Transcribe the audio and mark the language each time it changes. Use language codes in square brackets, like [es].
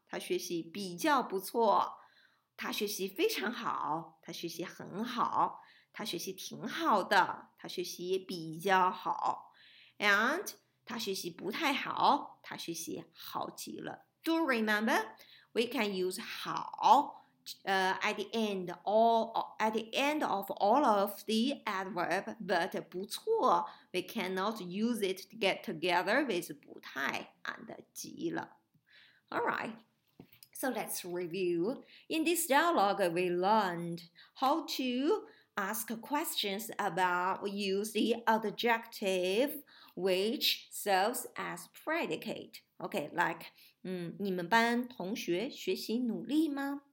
[zh] 他学习比较不错，他学习非常好，他学习很好，他学习挺好的，他学习比较好 ，and 他学习不太好，他学习好极了。 [en] Do remember, we can use 好at the end of all of the adverb, but 不错 we cannot use it to get together with 不太 and 极了。 All right. So let's review. In this dialogue, we learned how to ask questions about use the adjective which serves as predicate. Okay, like, [zh] 你们班同学学习努力吗？